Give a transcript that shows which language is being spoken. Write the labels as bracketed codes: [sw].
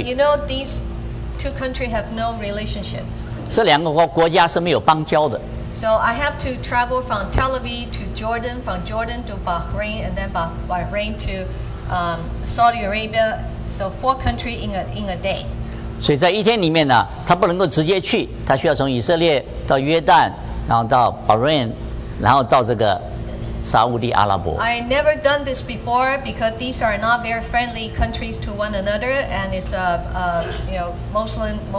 [en] But you know these two countries have no relationship. [zh] 这两个国家是没有邦交的。 [en] So I have to travel from Tel Aviv to Jordan, from Jordan to Bahrain, and then Bahrain to Saudi Arabia. So four countries in a day. [zh] 所以在一天里面呢，他不能够直接去，他需要从以色列到约旦，然后到 Bahrain, 然后到这个沙特阿拉伯。 [en] I never done this before because these are not very friendly countries to one another, and it's Muslim.